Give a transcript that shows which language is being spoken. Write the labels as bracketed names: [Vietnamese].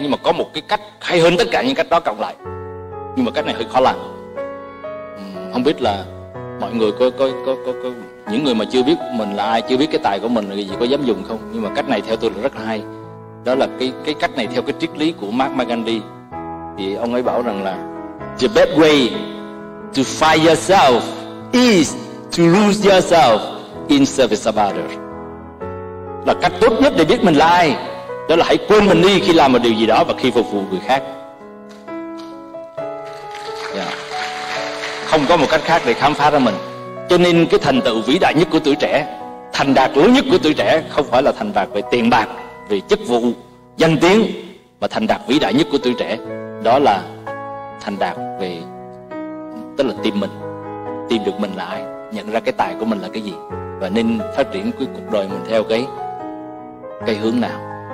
[Vietnamese] Nhưng mà có một cái cách hay hơn tất cả những cách đó cộng lại, nhưng mà cách này hơi khó làm. Không biết là mọi người có những người mà chưa biết mình là ai, chưa biết cái tài của mình là gì, có dám dùng không? Nhưng mà cách này theo tôi là rất hay. Đó là cái cách này theo cái triết lý của Mahatma Gandhi. Thì ông ấy bảo rằng là [English] the best way to find yourself is to lose yourself in service of others. [Vietnamese] Là cách tốt nhất để biết mình là ai, đó là hãy quên mình đi khi làm một điều gì đó và khi phục vụ người khác. Yeah. Không có một cách khác để khám phá ra mình. Cho nên cái thành tựu vĩ đại nhất của tuổi trẻ, thành đạt lớn nhất của tuổi trẻ không phải là thành đạt về tiền bạc, về chức vụ, danh tiếng, mà thành đạt vĩ đại nhất của tuổi trẻ đó là thành đạt về, tức là tìm mình, tìm được mình là ai, nhận ra cái tài của mình là cái gì và nên phát triển cái cuộc đời mình theo cái hướng nào.